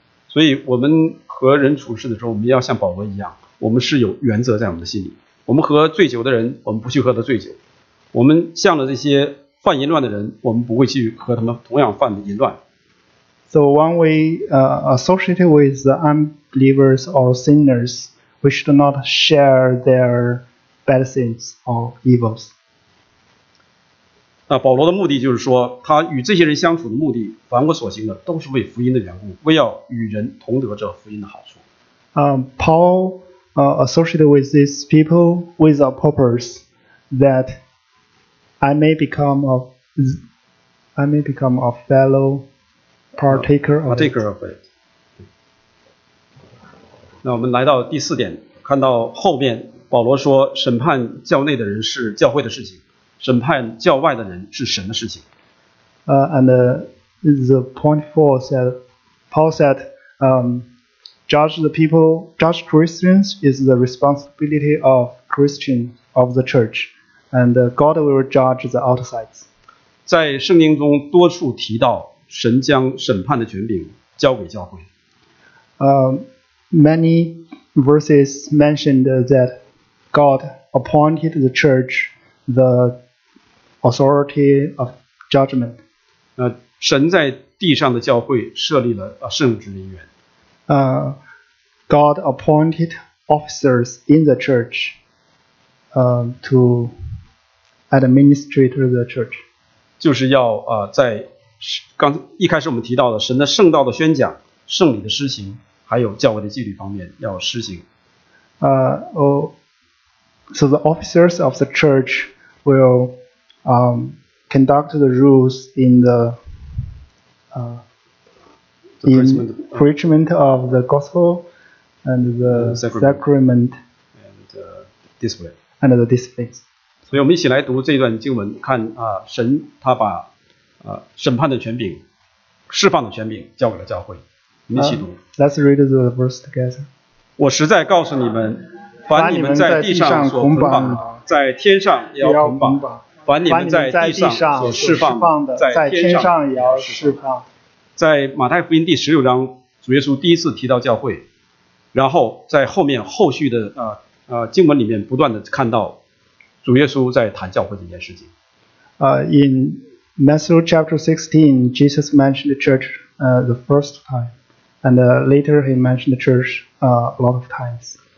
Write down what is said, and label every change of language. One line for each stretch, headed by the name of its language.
Chinese: 所以我们和人处事的时候，我们要像保罗一样，我们是有原则在我们的心里。我们和醉酒的人，我们不去喝他醉酒。我们向了这些犯淫乱的人，我们不会去和他们同样犯淫乱。
English: So when we associate with the unbelievers or sinners, we should not share their bad sins or evils.
Chinese: 那保罗的目的就是说，他与这些人相处的目的，凡我所行的，都是为福音的缘故，为要与人同得这福音的好处。
English: Paul associated with these people with a purpose that I may become a fellow partaker of it.
Chinese: 那我们来到第四点，看到后面保罗说，审判教内的人是教会的事情，审判教外的人是神的事情。
English: The point four said, Paul said, judge the people, judge Christians is the responsibility of Christian of the church. And God will judge the outsides.
Chinese: 在圣经中多处提到神将审判的权柄交给教会。
English: Many verses mentioned that God appointed the church the authority of judgment.
Chinese: 神在地上的教会设立了圣职人员。
English: God appointed officers in the church to administrator the church.
Chinese: 就是要在刚一开始我们提到的神的圣道的宣讲，圣礼的施行，还有教会的纪律方面要施行。
English: So the officers of the church will conduct the rules in the preachment of the gospel and the sacrament and display. And the displays.
Chinese: 所以我们一起来读这段经文，看啊，神他把啊审判的权柄、释放的权柄交给了教会。我们一起读。
English: Let's read the verse together.
Chinese: 我实在告诉你们，凡你们在地上所捆绑的，在天上也要捆绑； 凡你们在地上所释放的，在天上也要释放。在马太福音第十六章，主耶稣第一次提到教会，然后在后面后续的经文里面不断的看到主耶稣在谈教会这件事情。
English: In Matthew chapter 16, Jesus mentioned the church the first time, and later he mentioned the church a lot of times.